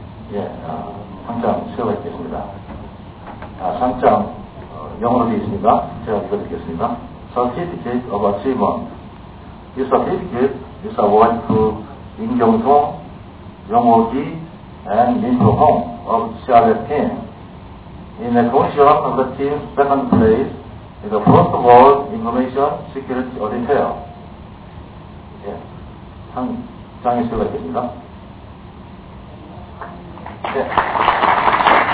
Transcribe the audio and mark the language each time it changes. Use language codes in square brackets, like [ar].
[ko] 예, 상장 수여가 있겠습니다. 상장 영어로 되어 있습니다. 제가 읽어드리겠습니다. [en] Certificate of Achievement. This certificate is awarded to Lim Kyung-sung, Yong Ho-ji, and Lim Cho-hong of CRS team. In recognition of the team's second place in the First World Information Security Audit Fair. [ko] 예, 상장이 수여가 있겠습니다. 예.